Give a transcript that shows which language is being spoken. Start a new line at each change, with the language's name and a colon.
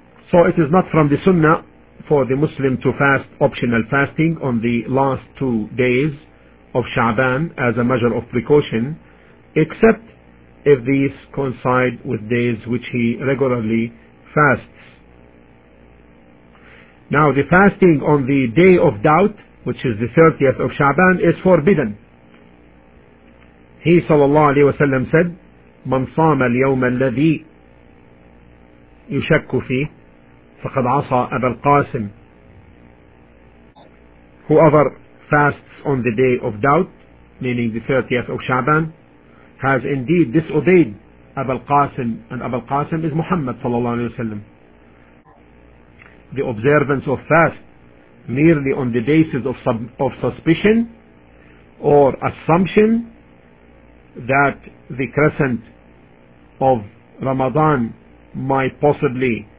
English: So it is not from the sunnah for the Muslim to fast optional fasting on the last 2 days of Sha'ban as a measure of precaution, except if these coincide with days which he regularly fasts. Now the fasting on the day of doubt, which is the 30th of Sha'ban, is forbidden. He sallallahu alayhi wa sallam said,
Arabic: من صام اليوم الذي يشك فيه فقد عصى أبا القاسم.
English: Whoever fasts on the day of doubt, meaning the 30th of Sha'ban, has indeed disobeyed Abu al-Qasim, and Abu al-Qasim is Muhammad sallallahu alayhi wa sallam. The observance of fast merely on the basis of suspicion or assumption that the crescent of Ramadan might possibly